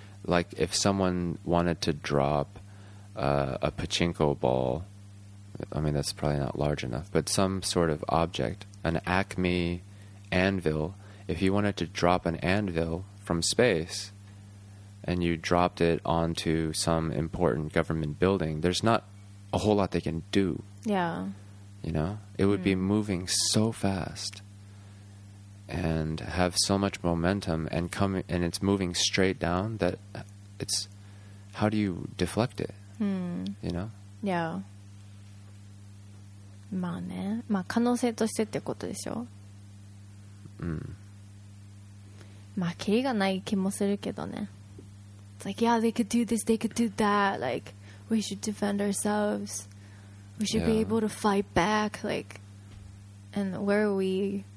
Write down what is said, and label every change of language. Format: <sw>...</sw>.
<en>Like, if someone wanted to drop a pachinko ball, I mean, that's probably not large enough, but some sort of object, an Acme anvil, if you wanted to drop an anvil from space and you dropped it onto some important government building, there's not a whole lot they can do. Yeah. You know? It would be moving so fast. And have so much momentum and it's moving straight down that it's how do you deflect it? You know? Yeah.</en> <ja>まあね。まあ可能性としてってことでしょ。まあキリがない気もするけどね。</ja> <en>It's like, yeah, they could do this, they could do that. Like, we should defend ourselves. We should be able to fight back. Like, and where are we?</en>